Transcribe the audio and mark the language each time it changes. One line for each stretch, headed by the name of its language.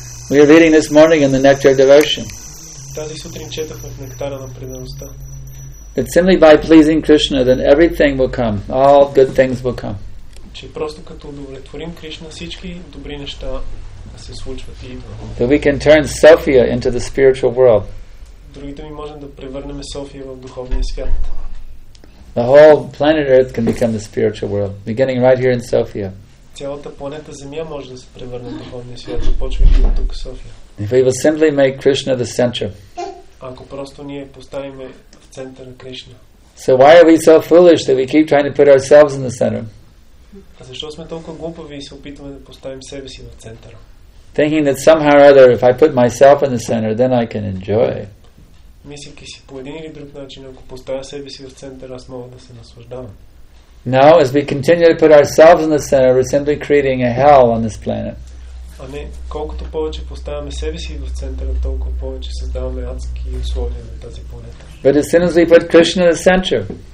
English: We are reading this morning in the Nectar Devotion.
Bulgarian: Тази сутрин четахме в Нектара на предаността.
English: That simply by pleasing Krishna, then everything will come. All good things will come.
Bulgarian: Че просто като удовлетворим Кришна, всички добри неща се случват и идват.
English: That we can turn Sophia into the spiritual world.
Bulgarian: Другите ми можем да превърнем София в духовния свят.
English: The whole planet Earth can become the spiritual world, beginning right here in Sophia.
Bulgarian: Цялата планета Земя може да се превърне в духовния свят, започвайки от тук, София.
English: If we will simply make Krishna the center.
Bulgarian: Ако просто ние поставим в центъра Кришна.
English: So why are we so foolish that we keep trying to put ourselves in the center?
Bulgarian: А защо сме толкова глупави и се опитваме да поставим себе си в центъра?
English: Thinking that somehow or other, if I put myself in the center, then I can enjoy.
Bulgarian: Мислейки си по един или друг начин, ако поставя себе си в центъра, аз мога да се наслаждавам.
English: No, as we continue to put ourselves in the center, we're simply creating a hell on this planet.
Bulgarian: А не, колкото повече поставяме себе си в центъра, толкова повече създаваме адски условия на тази планета.
English: But as soon as we put Krishna in the center,